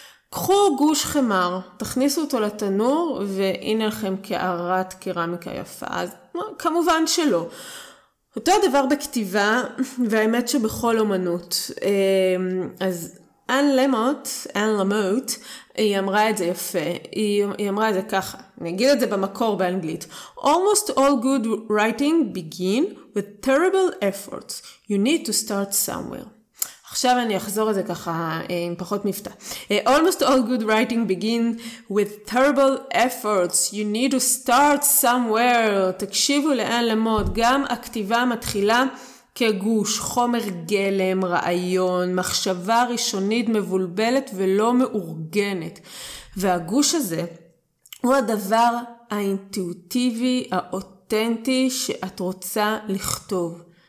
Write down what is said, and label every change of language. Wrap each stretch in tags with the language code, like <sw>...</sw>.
<he>קחו גוש חמר, תכניסו אותו לתנור, והנה לכם כערת קרמיקה יפה. אז כמובן שלא. אותו הדבר בכתיבה, והאמת שבכל אומנות. אז אן למוט, אן למוט, היא אמרה את זה יפה. היא אמרה את זה ככה, אני אגיד את זה במקור באנגלית.</he> <en>Almost all good writing begin with terrible efforts. You need to start somewhere.</en> <he>עכשיו אני אחזור את זה ככה עם פחות מפתח.</he> <en>Almost all good writing begin with terrible efforts. You need to start somewhere.</en> <he>תקשיבו לאן למות. גם הכתיבה מתחילה כגוש, חומר גלם, רעיון, מחשבה ראשונית מבולבלת ולא מאורגנת. והגוש הזה הוא הדבר האינטואיטיבי, האותנטי שאת רוצה לכתוב.</he>